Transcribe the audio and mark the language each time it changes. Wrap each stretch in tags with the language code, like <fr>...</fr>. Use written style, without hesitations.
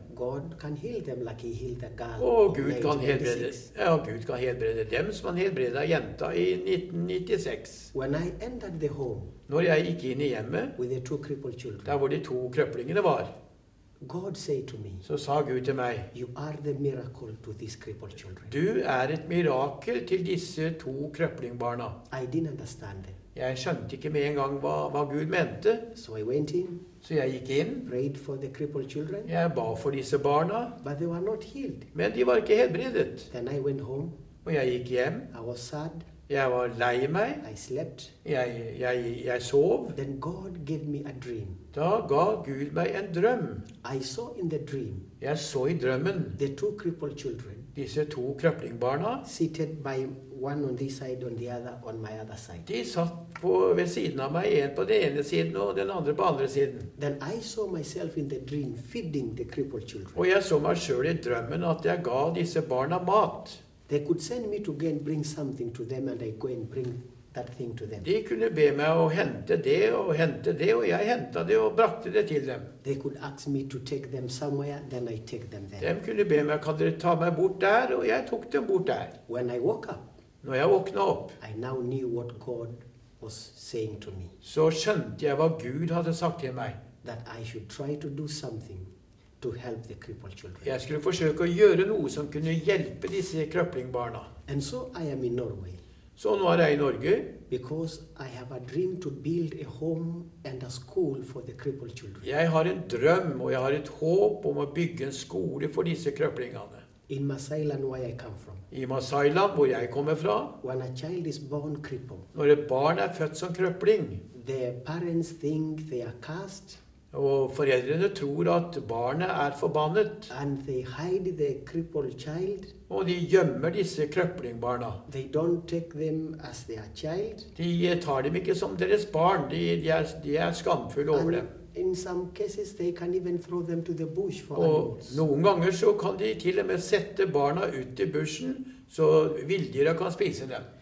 <en>God can heal them like he healed the girl.</en> <no>Og Gud kan helbrede. Ja, Gud kan helbrede dem som han helbredet av jenta i 1996.</no> <en>When I entered the home.</en> <no>Når jeg gikk inn i hjemmet.</no> <en>With the two crippled children.</en> <no>Der hvor de to krøplingene var.</no> <en>God said to me.</en> <no>Så sa Gud til meg.</no> <en>You are the miracle to these crippled children.</en> <no>Du er et mirakel til disse to krøplingbarna.</no> <en>I didn't understand it.</en> <no>Jeg skjønte ikke med en gang hva Gud mente.</no> <en>So I went in.</en> <no>Så jeg gikk inn.</no> <en>Prayed for the crippled children.</en> <no>Jeg ba for disse barna.</no> <en>But they were not healed.</en> <no>Men de var ikke helbredet.</no> <en>Then I went home.</en> <no>Og jeg gikk hjem.</no> <en>I was sad.</en> <no>Jeg var lei meg.</no> <en>I slept.</en> <no>Jeg sov.</no> <en>Then God gave me a dream.</en> <no>Da ga Gud meg en drøm.</no> <en>I saw in the dream.</en> <no>Jeg så i drømmen.</no> <en>The two crippled children.</en> <no>Disse to krøplingbarna.</no> <en>Seated by one on this side and the other on my other side.</en> <no>De satt på ved siden av meg, en på den ene siden og den andre på andre siden.</no> <en>Then I saw myself in the dream feeding the crippled children.</en> <no>Og jeg så meg selv i drømmen at jeg ga disse barna mat.</no> <en>They could send me to go and bring something to them and I go and bring that thing to them.</en> <no>De kunne be meg å hente det og hente det, og jeg hentet det og brakte det til dem.</no> <en>They could ask me to take them somewhere, then I take them there.</en> <no>De kunne be meg, kan dere ta meg bort der, og jeg tok dem bort der.</no> <en>When I woke up,</en> <no>når jeg våkna opp,</no> <en>I now knew what God was saying to me.</en> <no>Så skjønte jeg hva Gud hadde sagt til meg.</no> <en>That I should try to do something to help the crippled children.</en> <no>Jeg skulle forsøke å gjøre noe som kunne hjelpe disse krøplingbarna.</no> <en>And so I am in Norway.</en> <no>Så nå er jeg i Norge.</no> <en>Because I have a dream to build a home and a school for the crippled children.</en> <no>Jeg har en drøm, og jeg har et håp om å bygge en skole for disse krøplingene.</no> <en>In Masailand, where I come from.</en> <no>I Masailand, hvor jeg kommer fra.</no> <en>When a child is born crippled.</en> <no>Når et barn er født som krøpling.</no> <en>Their parents think they are cursed.</en> <no>Og foreldrene tror at barnet er forbannet.</no> <en>And they hide the crippled child.</en> <no>Og de gjemmer disse krøplingbarna.</no> <en>They don't take them as their child.</en> <no>De tar dem ikke som deres barn. De er skamfulle over dem.</no> <en>In some cases they can even throw them to the bush for animals.</en> <no>Og noen ganger så kan de til og med sette barna ut i bushen så villdyra kan spise dem.</no>